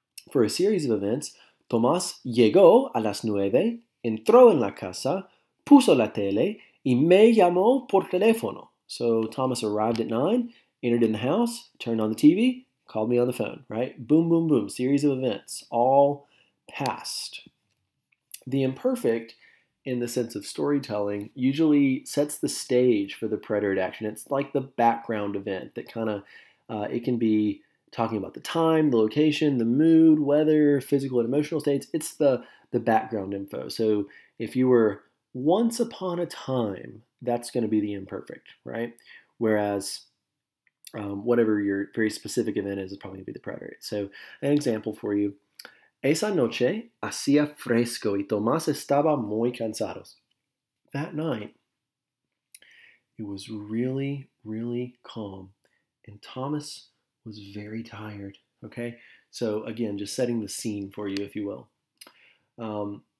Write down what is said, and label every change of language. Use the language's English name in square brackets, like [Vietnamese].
[English] For a series of events, [Spanish] Tomás llegó a las nueve, entró en la casa, puso la tele, y me llamó por teléfono. [English] So, Tomás arrived at 9, entered in the house, turned on the TV, called me on the phone, right? Boom, boom, boom. Series of events. All past. The imperfect, in the sense of storytelling, usually sets the stage for the preterite action. It's like the background event that kind of, it can be talking about the time, the location, the mood, weather, physical and emotional states. It's the background info. So if you were once upon a time, that's going to be the imperfect, right? Whereas whatever your very specific event is probably going to be the preterite. So an example for you. [Spanish] Esa noche hacía fresco y Tomás estaba muy cansado. [English] That night, it was really, really calm and Tomás was very tired, okay? So again, just setting the scene for you, if you will.